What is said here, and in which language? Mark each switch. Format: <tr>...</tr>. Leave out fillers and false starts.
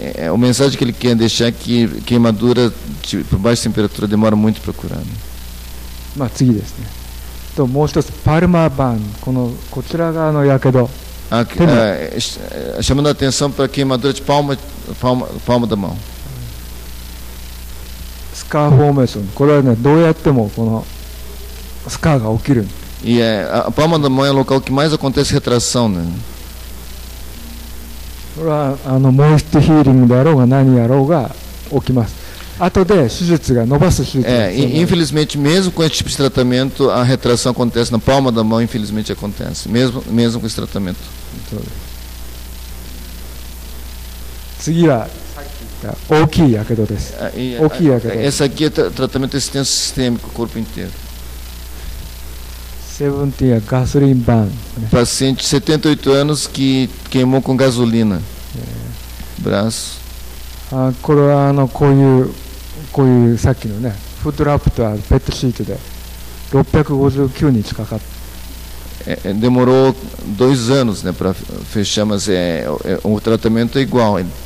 <pt>O mensagem que ele quer deixar é que queimadura por baixa temperatura demora muito para curar.</pt> <ja>まあ次ですね。ともう一つパルマバーンこのこちら側のやけど。</ja> <pt>Chamando a atenção para queimadura de palma da mão.</pt> <ja>スカーフォーメーション。これはね、どうやってもこのスカーが起きる。いや、パーマの前の</ja> <pt>local que mais acontece retração, né?</pt> <ja>これはあのモイストヒーリングであろうが何やろうが起きます。後で手術が伸ばす手術が。</ja> <pt>Infelizmente, mesmo com esse tipo de tratamento, a retração acontece na palma da mão, infelizmente acontece. Mesmo com esse tratamento.</pt> <ja>次は大きい火傷です。大きい火傷。</ja> <pt>Essa aqui é tratamento extenso sistêmico, corpo inteiro.</pt> <en>70 years, gasoline burn.</en> <pt>Paciente de 78 anos que queimou com gasolina. Braço.</pt> <ja>これはあのこういうさっきのね、フードラップとはペットシートで659日かかった。</ja> <pt>Demorou 2 anos, né, para fechar, mas o tratamento é igual.</pt>